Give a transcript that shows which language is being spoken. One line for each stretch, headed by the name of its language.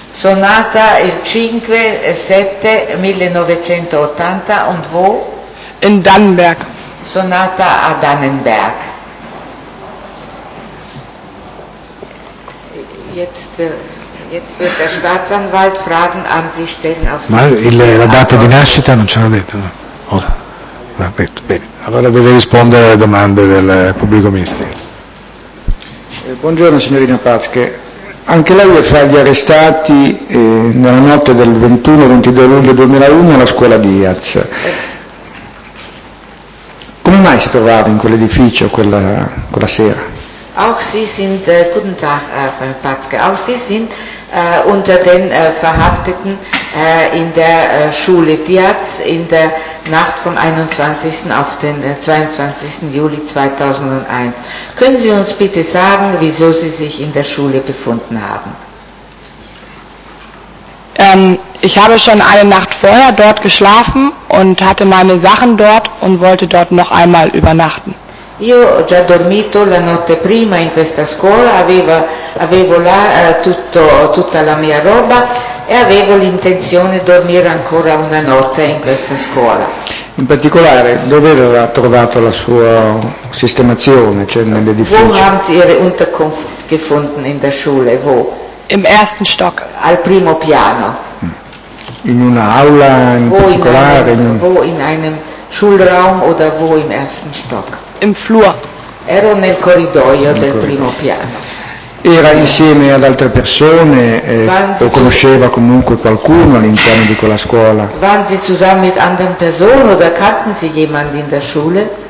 Italian: Sono nata il 5.7.1980
German: und wo? In Dannenberg.
Italian: Sonata a Dannenberg.
German: Jetzt wird der Staatsanwalt Fragen an Sie stellen.
Italian: Ma la data di nascita non ce l'ha detto, no? Oh, l'ha detto. Bene, allora deve rispondere alle domande del pubblico ministero. Buongiorno signorina Patzke. Anche lei è fra gli arrestati nella notte del 21-22 luglio 2001 alla scuola Diaz. Come mai si trovava in quell'edificio quella sera?
German: Auch Sie sind, guten Tag, Frau Patzke, auch Sie sind unter den Verhafteten in der Schule Diaz in der Nacht vom 21. auf den 22. Juli 2001. Können Sie uns bitte sagen, wieso Sie sich in der Schule befunden haben? Ich habe schon eine Nacht vorher dort geschlafen und hatte meine Sachen dort und wollte dort noch einmal übernachten.
Italian: Io ho già dormito la notte prima in questa scuola, avevo là tutta la mia roba e avevo l'intenzione di dormire ancora una notte in questa scuola. In particolare, dove aveva trovato la sua sistemazione, cioè nell'edificio?
German: Wo haben Sie Ihre Unterkunft gefunden in der Schule? Wo? Im ersten Stock.
Italian: Al primo piano. In una aula in
German: wo
Italian: particolare?
German: In einem Schulraum oder wo im ersten Stock? Im Flur.
Italian: Ero nel corridoio del primo piano. Era insieme ad altre persone o conosceva comunque qualcuno all'interno di quella scuola?
German: Waren Sie zusammen mit anderen Personen oder kannten Sie jemanden in der Schule?